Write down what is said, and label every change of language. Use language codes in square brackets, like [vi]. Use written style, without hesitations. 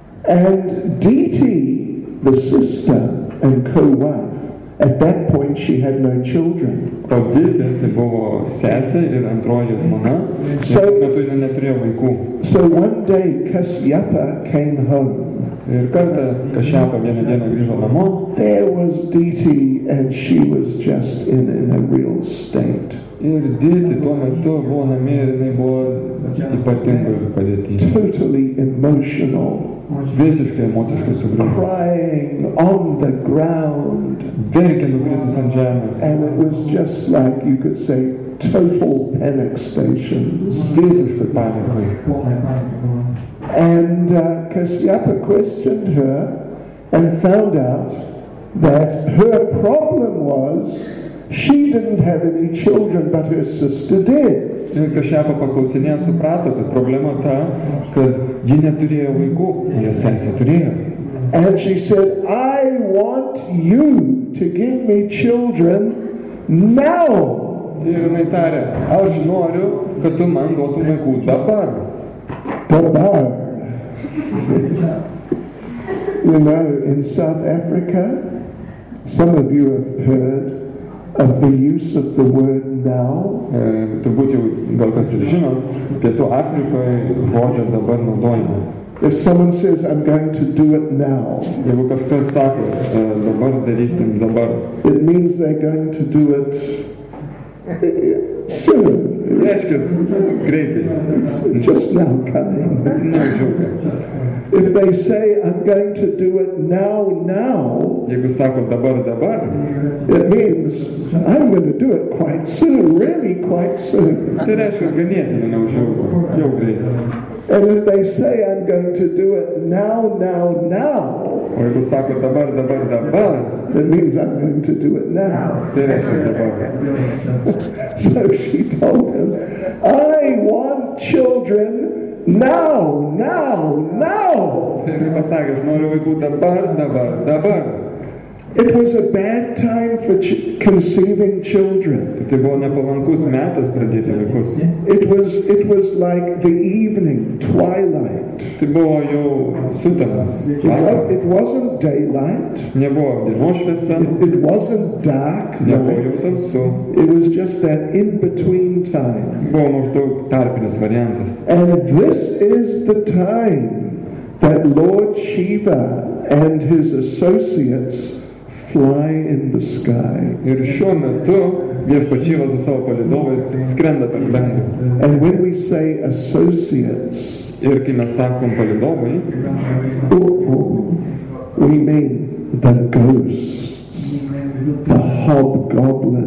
[en] And Diti, the sister and co-wife, at that point she had no children. [lt] O Diti, tai buvo sesė ir antroji žmona. [en] So one day Kasyapa came home. [lt] Ir kartą Kasyapa vieną dieną grįžo namo. [en] There was Diti and she was just in a real state. [lt] Ir Diti tuo metu buvo namė ir jinai buvo ypatingoj padėtyje. [en] Totally emotional. [lt] Visiškai emotiškai sugrįžo. [en] Crying on the ground. [lt] Verkė nukritus ant žemės. [en] And it was just like, you could say, total panic stations. [lt] Visiškai panikai. [en] And Kasyapa questioned her and found out that her problem was she didn't have any children, but her sister did. [lt] Ir Kasyapa paklausinėjo, suprato, kad problema ta, kad ji neturėjo vaikų, jo sesė turėjo. [en] And she said, I want you to give me children now. [lt] Ir jinai tarė, aš noriu, kad tu man duotum vaikų dabar. Dabar. [en] You know, in South Africa, some of you have heard of the use of the word now. [lt] Turbūt jau gal kas ir žino, Pietų Afrikoje žodžio dabar naudojimo. [en] If someone says, I'm going to do it now, [lt] jeigu kažkas sako, dabar darysim, dabar. [en] It means they're going to do it soon. [lt] Reiškis, greitai. [en] Just now coming. If they say, I'm going to do it now, now, [lt] jeigu sako, dabar, dabar, [en] it means, I'm going to do it quite soon, really quite soon. [lt] Tai reiškis, ganėtinai neužilgo, jau greitai. [en] And if they say, I'm going to do it now, now, now, [lt] o jeigu sako, dabar, dabar, dabar, [en] it means I'm going to do it now. [lt] Tai reiškis, dabar. [en] So she told him, I want children now, now, now. [lt] Ir pasakė, aš noriu vaikų dabar, dabar, dabar. [en] It was a bad time for conceiving children. [lt] Tai buvo nepalankus metas pradėti vaikus. [en] It was like the evening, twilight. [lt] Tai buvo jau sutemos. [en] It wasn't daylight. [lt] Nebuvo dienos šviesa. [en] It wasn't dark. [lt] Nebuvo jau tamsu. [en] It was just that in-between time. [lt] Buvo maždaug tarpinis variantas. [en] And this is the time that Lord Shiva and his associates fly in the sky. [lt] Ir šiuo metu viešpačiai su savo palydovais skrenda per dangų. [en] And when we say associates, [lt] ir kai mes sakom palydovai, [en] we mean the ghosts, the hobgoblin,